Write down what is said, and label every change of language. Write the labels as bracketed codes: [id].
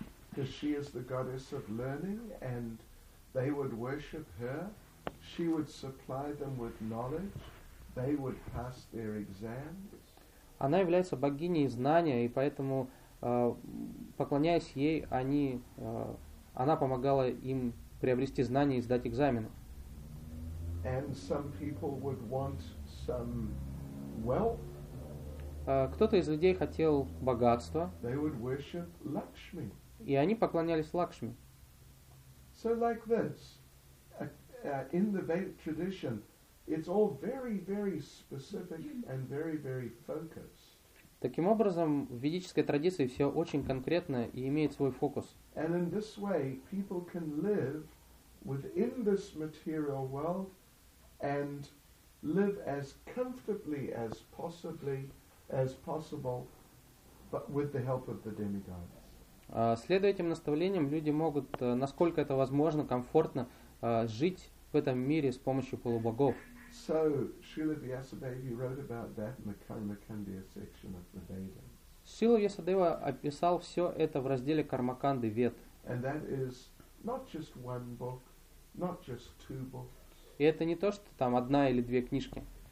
[en] Because she is the goddess of learning, and they would worship her. She would supply them with knowledge. They would pass their exams. [ru] Она является богиней знания, и поэтому, поклоняясь ей, она помогала им приобрести знания и сдать экзамены. [en] And some people would want some wealth. [ru] Кто-то из людей хотел богатства. [en] They would worship Lakshmi. [ru] И они поклонялись Лакшми. [en] So like this, in the Vedic tradition, it's all very, very specific and very, very focused. [ru] Таким образом, в ведической традиции все очень конкретно и имеет свой фокус. [en] And in this way, people can live within this material world and live as comfortably as possible, but with the help of the demigods. [ru] Следуя этим наставлениям, люди могут, насколько это возможно, комфортно жить в этом мире с помощью полубогов. [en] So, Srila Vyasadeva wrote about that in the Karmakandiya section of the Vedas. [ru] Шрила Ясадева описал все это в разделе Кармаканды Вед. И это не то, что там одна или две книжки.